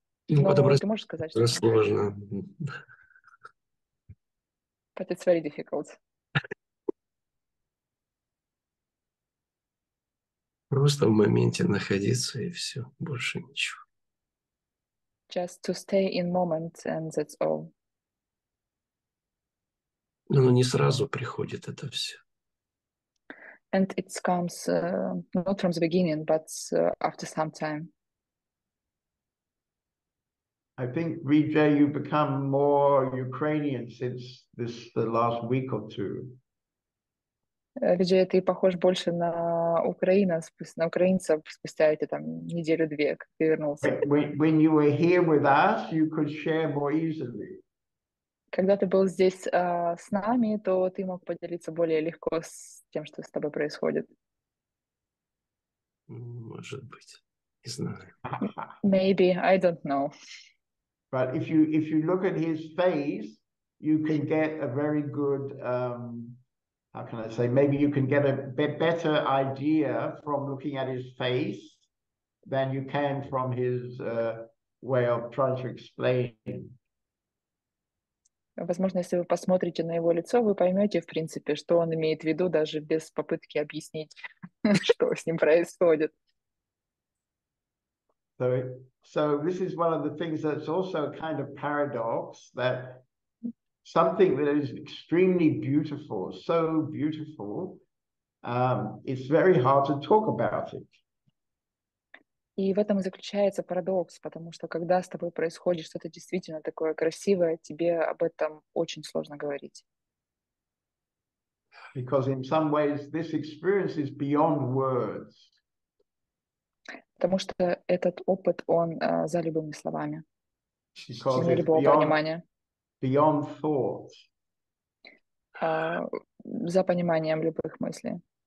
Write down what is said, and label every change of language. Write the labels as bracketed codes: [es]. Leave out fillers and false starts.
[ru] Сложно. [en] But it's very difficult. [ru] Просто в моменте находиться и все, больше ничего. [en] Just to stay in moment and that's all. [ru] Но не сразу приходит это все. [en] And it comes not from the beginning, but after some time. I think, Vijay, you've become more Ukrainian since this the last week or two. [ru] Vijay, ты похож больше на Украина, на украинцев спустя эти там неделю-две, как ты вернулся. [en] When you were here with us, you could share more easily. [ru] Когда ты был здесь с нами, то ты мог поделиться более легко с тем, что с тобой происходит. Может быть, не знаю. [en] Maybe, I don't know. But if you look at his face, you can get a very good, how can I say, maybe you can get a better idea from looking at his face than you can from his way of trying to explain. [ru] Возможно, если вы посмотрите на его лицо, вы поймете, в принципе, что он имеет в виду, даже без попытки объяснить, что с ним происходит. [en] So this is one of the things that's also a kind of paradox, that something that is extremely beautiful, so beautiful, it's very hard to talk about it. [ru] И в этом и заключается парадокс, потому что когда с тобой происходит что-то действительно такое красивое, тебе об этом очень сложно говорить. [en] Because in some ways this experience is beyond words. [ru] Потому что этот опыт, он за любыми словами, за любого понимания. [en] Beyond thought. [ru] За пониманием любых мыслей.